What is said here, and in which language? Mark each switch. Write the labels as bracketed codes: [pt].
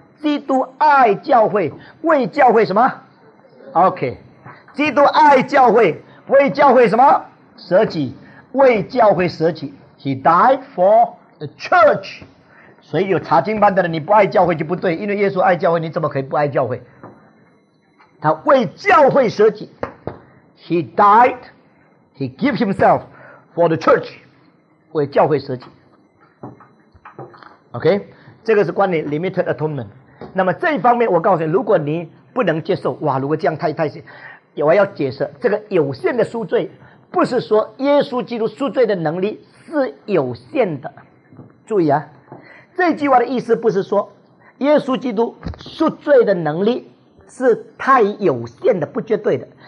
[zh] 基督爱教会，为教会什么 ？OK， 基督爱教会，为教会什么？舍己，为教会舍己。 [en] He died for the church。 [zh] 所以有查经班的人，你不爱教会就不对，因为耶稣爱教会，你怎么可以不爱教会？他为教会舍己。 [en] He died, he gave himself for the church, [zh] 为教会舍己。 OK， 这个是关于 limited atonement。那么这一方面我告诉你，如果你不能接受，哇，如果这样太，我要解释，这个有限的赎罪不是说耶稣基督赎罪的能力是有限的。注意啊，这句话的意思不是说耶稣基督赎罪的能力是太有限的，不绝对的。